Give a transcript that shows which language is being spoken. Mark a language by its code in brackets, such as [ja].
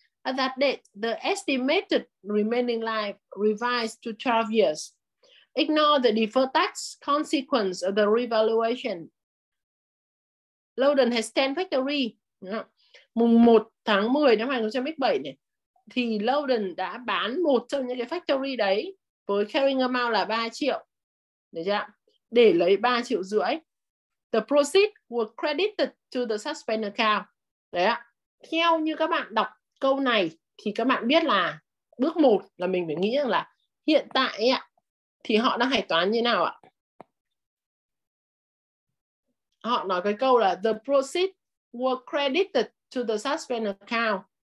[en] At that date, the estimated remaining life revised to 12 years. Ignore the deferred tax consequence of the revaluation. Loden has 10 factory. [vi] Mùng 1 tháng 10 năm 2007 này, thì Loden đã bán một trong những cái factory đấy với carrying amount là 3 triệu. Được chưa? Để lấy 3 triệu rưỡi. [en] The proceeds were credited to the suspend account. [vi] Đấy ạ. Theo như các bạn đọc câu này thì các bạn biết là bước 1 là mình phải nghĩ rằng là hiện tại ạ thì họ đang hạch toán như nào ạ? Họ nói cái câu là [en] the proceeds were credited to the suspend account.